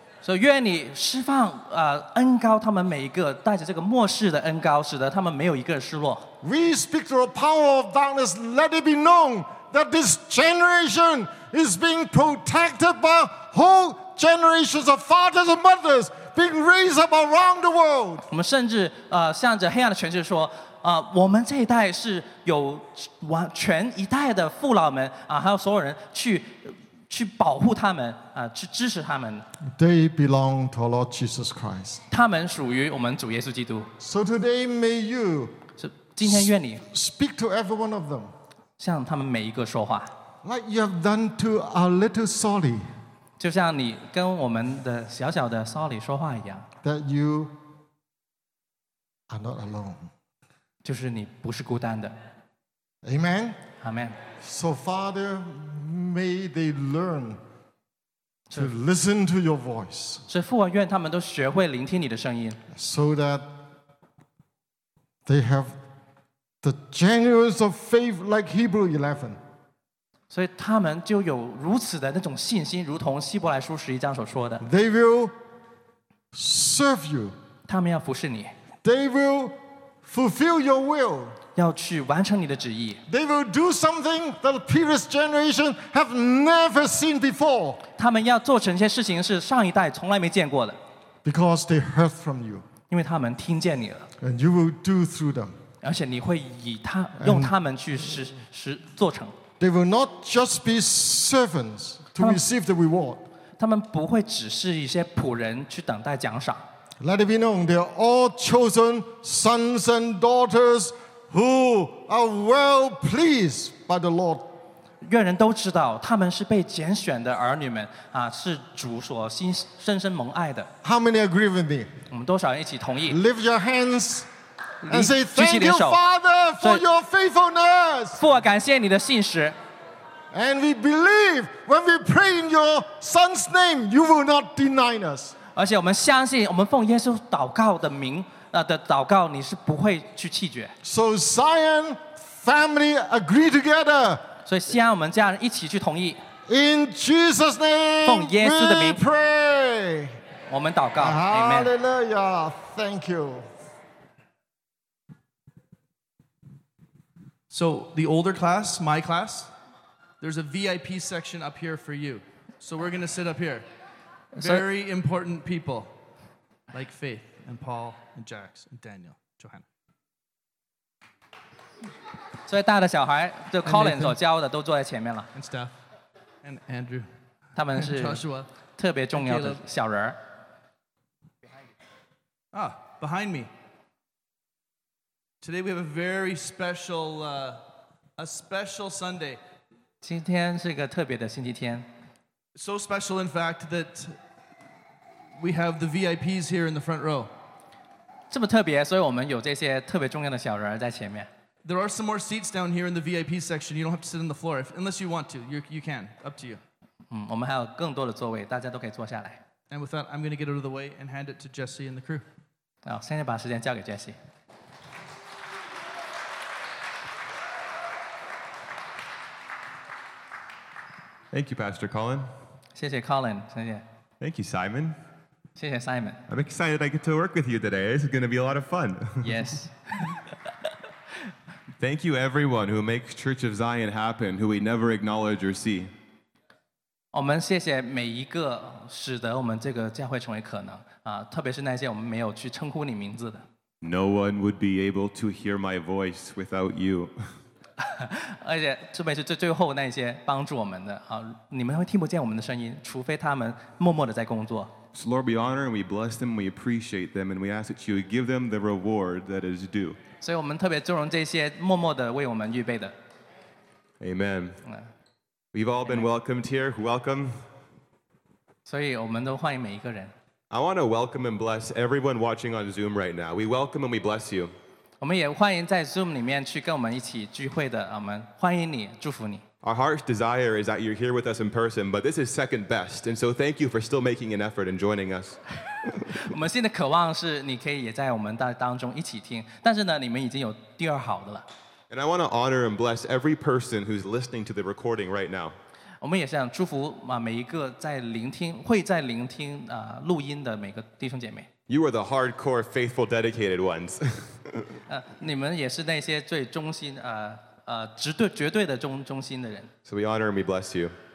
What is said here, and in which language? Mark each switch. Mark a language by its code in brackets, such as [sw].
[zh] 所以愿你释放恩膏他们每一个带着这个末世的恩膏使得他们没有一个失落 [en] We speak to the power of darkness Let it be known that this generation is being protected by whole generations of fathers and mothers being raised up around the world [zh] 我们甚至向着黑暗的权势说我们这一代是有全一代的父老们还有所有人去保护他们去支持他们 [en] They belong to our Lord Jesus Christ [zh] 他们属于我们主耶稣基督 [en] So today may you [zh] 今天愿你 [en] Speak to every one of them [zh] 向他们每一个说话 [en] Like you have done to our little Solly [zh] 就像你跟我们的小小的 Solly 说话一样 [en] That you are not alone [zh] 就是你不是孤单的 [en] Amen Amen So FatherMay they learn to listen to your voice. [zh] 是父啊，愿他们都学会聆听你的声音。 [en] So that they have the genuineness of faith like Hebrew 11. [zh] 所以他们就有如此的那种信心，如同希伯来书十一章所说的。 [en] They will serve you. [zh] 他们要服侍你。 [en] They will fulfill your will. [zh] 要去完成你的旨意。 [en] They will do something that the previous generation have never seen before. [zh] 他们要做成一些事情是上一代从来没见过的。 [en] Because they heard from you. [zh] 因为他们听见你了。 [en] And you will do through them. [zh] 而且你会用他们去实做成。 [en] They will not just be servants to receive the reward. [zh] 他们不会只是一些仆人去等待奖赏。 [en] Let it be known, they are all chosen sons and daughters. Who are well pleased by the Lord? [zh] 愿人都知道，他们是被拣选的儿女们啊，是主所深深蒙爱的。 [en] How many agree with me? [zh] 我们多少人一起同意 [en] ？Lift your hands and say thank you, Father, for your faithfulness. [zh] 父啊，感谢你的信实。 [en] And we believe when we pray in your Son's name, you will not deny us. [zh] 而且我们相信，我们奉耶稣祷告的名。的祷告你是不会去弃绝。 [en] So Zion family agree together. [zh] 所以西安我们家人一起去同意。 [en] In Jesus' name, [zh] 奉耶稣的名 [en] we pray. [zh] 我们祷告。 [en] Hallelujah. Thank you. So the older class, my class, there's a VIP section up here for you. So we're going to sit up here. Very important people, like Faith. And Paul, and Jax, and Daniel, Johanna. [zh] 所以大的小孩，就 Colin 所教的都坐在前面了。 [en] And Steph, and Andrew. [zh] 他们是特别重要的小人。 [en] Ah, behind me. Today we have a very special, a special Sunday. [zh] 今天是个特别的星期天。 [en] So special, in fact, that we have the VIPs here in the front row. [zh] 这么特别，所以我们有这些特别重要的小人在前面。 [en] There are some more seats down here in the VIP section. You don't have to sit on the floor unless you want to. You can, up to you. [zh] 我们还有更多的座位，大家都可以坐下来。 [en] And with that, I'm going to get out of the way and hand it to Jesse and the crew. [zh] 好，现在把时间交给 Jesse。 [en] Thank you, Pastor Colin. [zh] 谢谢 Colin， 谢谢。 [en] Thank you, Simon. [zh] 谢谢 Simon. [en] I'm excited I get to work with you today. This is going to be a lot of fun. Yes. Thank you everyone who makes Church of Zion happen, who we never acknowledge or see. [zh] 我们谢谢每一个使得我们这个教会成为可能特别是那些我们没有去称呼你名字的。 [en] No one would be able to hear my voice without you. [zh] 而且特别是最后那些帮助我们的你们会听不见我们的声音除非他们默默地在工作。 [en] So Lord, we honor and we bless them, we appreciate them, and we ask that you would give them the reward that is due. [zh] 所以我们特别尊荣这些默默地为我们预备的。 [en] Amen. We've all been welcomed here. Welcome. [zh] 所以我们都欢迎每一个人。 [en] I want to welcome and bless everyone watching on Zoom right now. We welcome and we bless you. [zh] 我们也欢迎在 Zoom 里面去跟我们一起聚会的我们欢迎你，祝福你。 [en] Our heart's desire is that you're here with us in person, but this is second best, and so thank you for still making an effort and joining us. [zh] 我们现在渴望是你可以也在我们当中一起听，但是呢，你们已经有第二好的了。 [en] And I want to honor and bless every person who's listening to the recording right now. [zh] 我们也想祝福每一个在聆听会在聆听录音的每个弟兄姐妹。 [en] You are the hardcore, faithful, dedicated ones. [zh] 你们也是那些最忠心绝对的忠心的人。 [en] So we honor and we bless you.